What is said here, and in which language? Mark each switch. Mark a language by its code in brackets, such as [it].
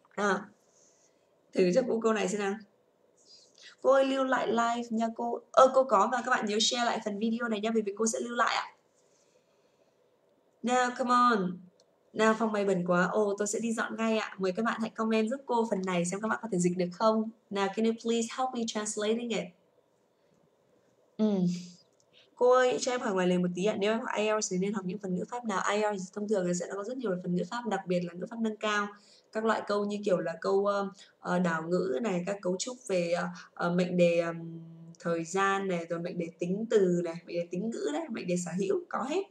[vi] À, thử cho cô câu này xem nào. Cô ơi lưu lại live nha cô. Cô có, và các bạn nhớ share lại phần video này nha, vì cô sẽ lưu lại ạ. [en] Now come on, [vi] now phòng mày bẩn quá. Ô, tôi sẽ đi dọn ngay ạ. Mời các bạn hãy comment giúp cô phần này xem các bạn có thể dịch được không. [en] Now can you please help me translating it. [vi] Cô ơi, cho em hỏi ngoài lề một tí ạ. Nếu em học IELTS thì nên học những phần ngữ pháp nào? IELTS thông thường là sẽ có rất nhiều phần ngữ pháp, đặc biệt là ngữ pháp nâng cao. Các loại câu như kiểu là câu đảo ngữ này, các cấu trúc về mệnh đề thời gian này, rồi mệnh đề tính từ này, mệnh đề tính ngữ đấy, mệnh đề sở hữu, có hết.